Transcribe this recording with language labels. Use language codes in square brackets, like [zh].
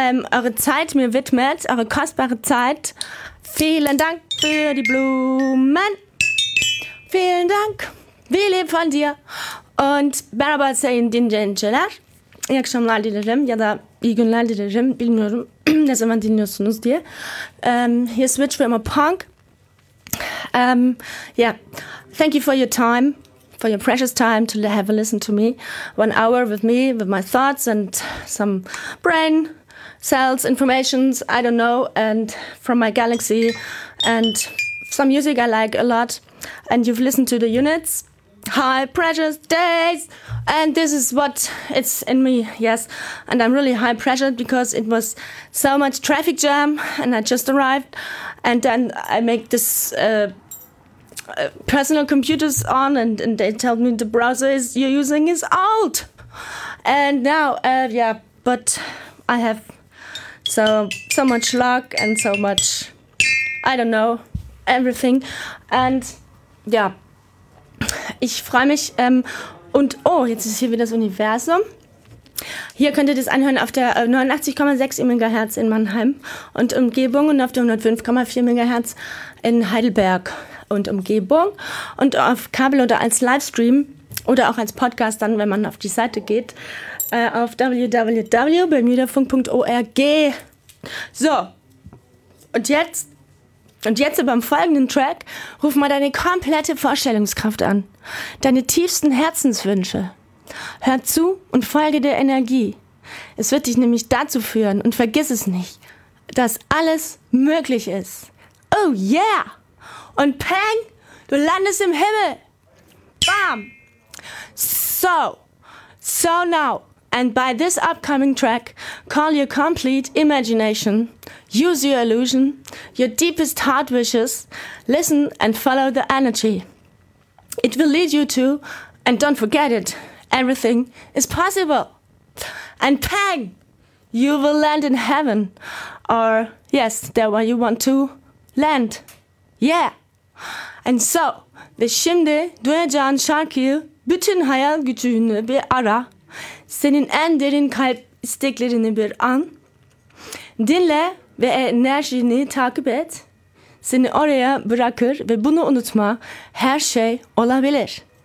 [de] Eure Zeit mir widmet, eure kostbare Zeit. Vielen Dank für die Blumen. Vielen Dank. Wir leben von dir. Und Baraba Sein Dinjen Jelash. Jak schon mal die Rim, ja da, ich bin mal die Rim, bin nur Rim, das ist immer die Nussnuss dir. Hier ist Switch für immer Punk. [en] Ja, thank you for your time, for your precious time to have a listen to me. 1 hour with me, with my thoughts and some brain cells, informations, I don't know, and from my galaxy and some music I like a lot. And you've listened to the units. Hi, precious days, and this is what it's in me, yes, and I'm really high pressured because it was so much traffic jam and I just arrived, and then I make this personal computers on, and they tell me the browser is you're using is old, and now yeah, but I have so much luck and so much, I don't know, everything, and yeah. [de] Ich freue mich und oh, jetzt ist hier wieder das Universum. Hier könnt ihr das anhören auf der 89,6 MHz in Mannheim und Umgebung und auf der 105,4 MHz in Heidelberg und Umgebung und auf Kabel oder als Livestream oder auch als Podcast dann, wenn man auf die Seite geht, auf www.bermudafunk.org. So, und jetzt beim folgenden Track, ruf mal deine komplette Vorstellungskraft an. Deine tiefsten Herzenswünsche. Hör zu und folge der Energie. Es wird dich nämlich dazu führen, und vergiss es nicht, dass alles möglich ist. [en] Oh yeah! [de] Und peng, du landest im Himmel. Bam! [en] So now, and by this upcoming track, call your complete imagination. Use your illusion, your deepest heart wishes, listen and follow the energy. It will lead you to, and don't forget it, everything is possible. And bang, you will land in heaven, or yes, there where you want to land. Yeah. And so, the [tr] şimdi duyacağın şarkıyı bütün hayal gücünü bir ara, senin en derin kalp isteklerini bir an, dinle. Ve enerjini takip et, seni oraya bırakır ve bunu unutma, her şey olabilir.